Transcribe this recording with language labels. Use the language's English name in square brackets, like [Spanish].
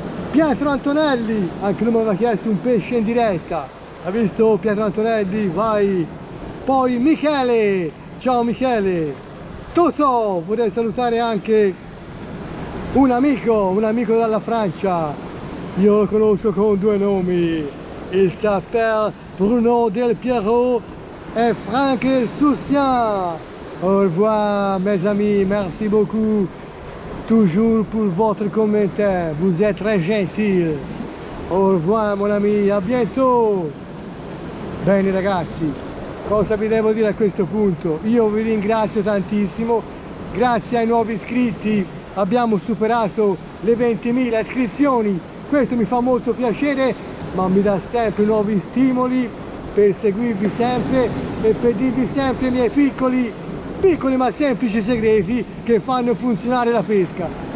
[Italian] Pietro Antonelli, anche lui mi aveva chiesto un pesce in diretta. Ha visto Pietro Antonelli? Vai. Poi Michele, Ciao Michele. Toto, vorrei salutare anche un amico dalla Francia. Io lo conosco con due nomi. [French] Il s'appelle Bruno Del Piero e Franck Soussien. Au revoir, mes amis, merci beaucoup. Toujours pour votre commentaire, vous êtes très gentil. Au revoir, mon ami, à bientôt. [Italian] Bene ragazzi, cosa vi devo dire a questo punto? Io vi ringrazio tantissimo, grazie ai nuovi iscritti abbiamo superato le 20.000 iscrizioni, questo mi fa molto piacere, ma mi dà sempre nuovi stimoli per seguirvi sempre e per dirvi sempre i miei piccoli ma semplici segreti che fanno funzionare la pesca.